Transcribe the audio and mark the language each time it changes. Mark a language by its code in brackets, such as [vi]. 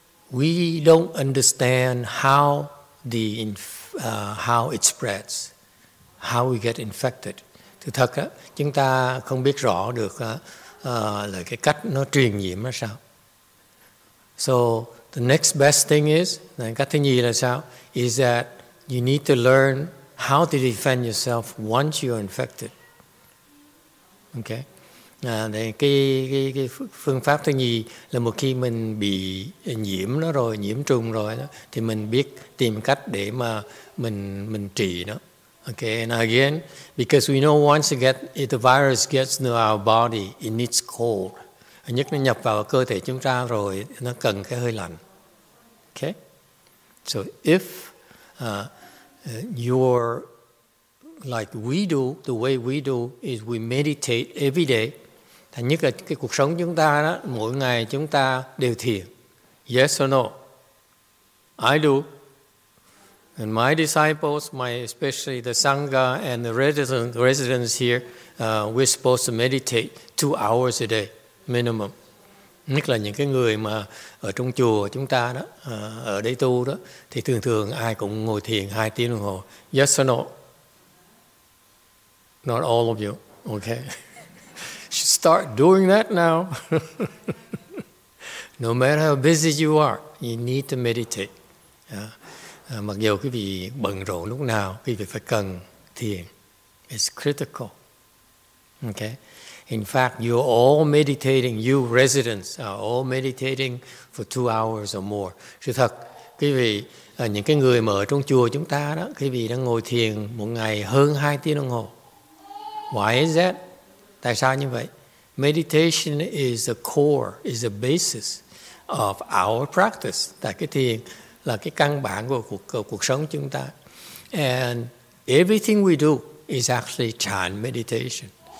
[en] We don't understand how it spreads, how we get infected. [vi] Thì thật á, chúng ta không biết rõ được là cái cách nó truyền nhiễm là sao. [en] So the next best thing is, [vi] cách thứ nhì là sao? [en] Is that you need to learn how to defend yourself once you are infected. Okay. [vi] Cái phương pháp thứ nhì là một khi mình bị nhiễm nó rồi, nhiễm trùng rồi đó, thì mình biết tìm cách để mà mình trị nó. [en] Okay, and again, because we know if the virus gets into our body, it needs cold. [vi] Nhất nó nhập vào cơ thể chúng ta rồi, nó cần cái hơi lạnh. [en] Okay? So if you're like we do, the way we do is we meditate every day. [vi] Thành nhất là cái cuộc sống chúng ta đó, mỗi ngày chúng ta đều thiền. [en] Yes or no? I do. And my disciples, especially the Sangha and the residents here, we're supposed to meditate 2 hours a day, minimum. [vi] Nhất là những cái người mà ở trong chùa chúng ta đó, ở đây tu đó, thì thường thường ai cũng ngồi thiền 2 tiếng đồng hồ. [en] Yes or no? Not all of you, okay? Should start doing that now. No matter how busy you are, you need to meditate. [vi] Mặc dù quý vị bận rộn lúc nào, quý vị phải cần thiền. [en] It's critical. Okay. In fact, you're all meditating. You residents are all meditating for 2 hours or more. [vi] Sự thật, quý vị, những cái người mà ở trong chùa chúng ta đó, quý vị đang ngồi thiền một ngày hơn 2 tiếng đồng hồ. [en] Why is that? [vi] Tại sao như vậy? [en] Meditation is the core, is the basis of our practice. [vi] Tại cái thiền là cái căn bản của cuộc sống chúng ta. [en] And everything we do is actually chan meditation.